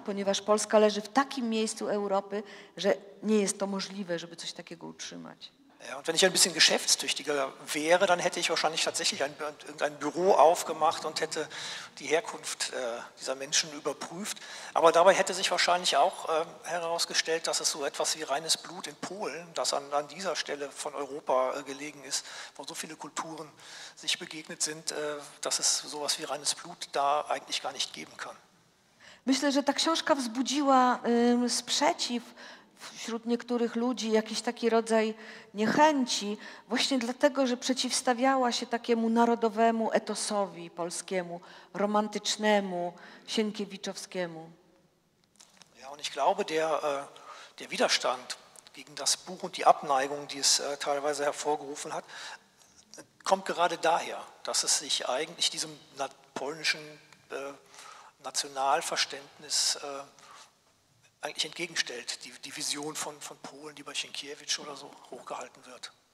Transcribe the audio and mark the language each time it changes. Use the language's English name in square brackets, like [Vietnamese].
[Polish] Ponieważ Polska leży w takim miejscu Europy, że nie jest to możliwe, żeby coś takiego utrzymać. [German] Ja, und wenn ich ein bisschen geschäftstüchtiger wäre, dann hätte ich wahrscheinlich tatsächlich irgendein Büro aufgemacht und hätte die Herkunft dieser Menschen überprüft. Aber dabei hätte sich wahrscheinlich auch herausgestellt, dass es so etwas wie reines Blut in Polen, das an dieser Stelle von Europa gelegen ist, wo so viele Kulturen sich begegnet sind, dass es so etwas wie reines Blut da eigentlich gar nicht geben kann. [Polish] Myślę, że ta książka wzbudziła sprzeciw wśród niektórych ludzi jakiś taki rodzaj niechęci, właśnie dlatego, że przeciwstawiała się takiemu narodowemu etosowi polskiemu, romantycznemu, sienkiewiczowskiemu. [German] Ja, und ich glaube, der Widerstand gegen das Buch und die Abneigung, die es teilweise hervorgerufen hat, kommt gerade daher, dass es sich eigentlich diesem polnischen Nationalverständnis eigentlich entgegenstellt, die Vision von Polen, die bei Sienkiewicz oder so hochgehalten wird.